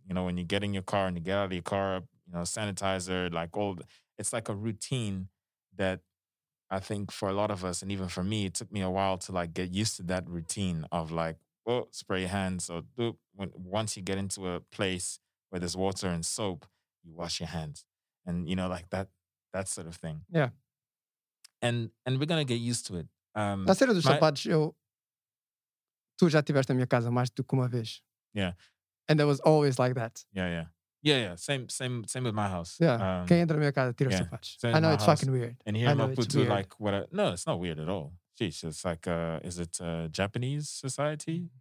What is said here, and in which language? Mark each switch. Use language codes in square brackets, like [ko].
[en] When you get in your car and you get out of your car, sanitizer, like all, it's like a routine that I think for a lot of us, and even for me, it took me a while to like get used to that routine of like, well, spray your hands. So once you get into a place where there's water and soap, you wash your hands and, like that sort of thing. Yeah. And we're going to get used to it. [pt] Na cena dos sapatos, tu já estiveste na minha casa mais do que uma vez. [en] Yeah. And it was always like that. Yeah. Yeah. Same with my house. Yeah. [pt] Quem entra na minha casa tira os sapatos. [en] I know it's house. Fucking weird. And here Maputo, like, no, it's not weird at all. Jeez, it's like, is it a Japanese society?